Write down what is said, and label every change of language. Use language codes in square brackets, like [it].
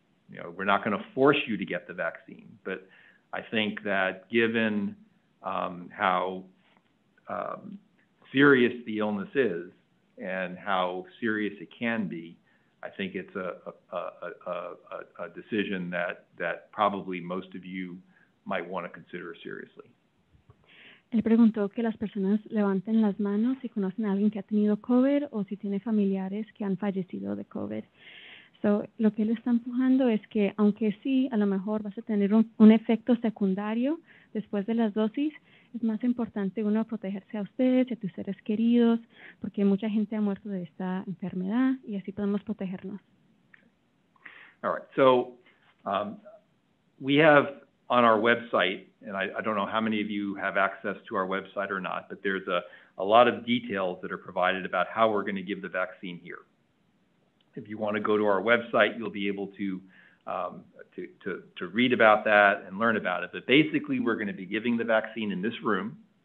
[en] You know, we're not going to force you to get the vaccine, but I think that given how serious the illness is and how serious it can be, I think it's a decision that probably most of you might want to consider seriously. [es] Él preguntó que las personas levanten las manos si conocen a alguien que ha tenido COVID o si tiene familiares que han fallecido de COVID. So, lo que él está empujando es que, aunque sí, a lo mejor vas a tener un efecto secundario después de las dosis, es más importante uno protegerse a ustedes y a tus seres queridos, porque mucha gente ha muerto de esta enfermedad y así podemos protegernos. [en] All right. So, we have on our website, and I don't know how many of you have access to our website or not, but there's a lot of details that are provided about how we're going to give the vaccine here. If you want to go to our website, you'll be able to read about that and learn about it. But basically, we're going to be giving the vaccine in this room.